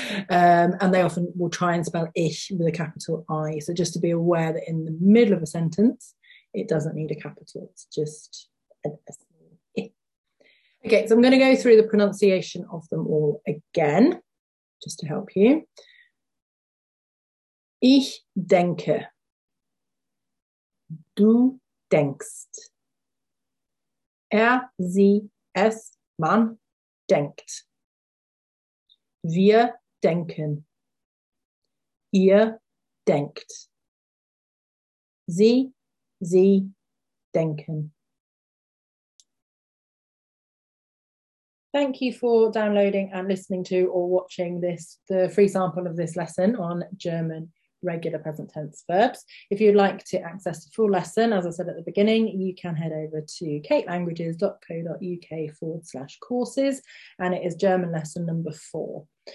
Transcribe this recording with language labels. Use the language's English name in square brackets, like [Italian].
[English] And they often will try and spell ich with a capital I. So just to be aware that in the middle of a sentence, it doesn't need a capital. It's just an S. Okay, so I'm going to go through the pronunciation of them all again, just to help you. [German] Ich denke, du denkst, sie, es, man denkt, wir denken, ihr denkt, sie denken. [English] Thank you for downloading and listening to or watching this, the free sample of this lesson on German regular present tense verbs. If you'd like to access the full lesson, as I said at the beginning, you can head over to katelanguages.co.uk/courses, and it is German lesson number 4.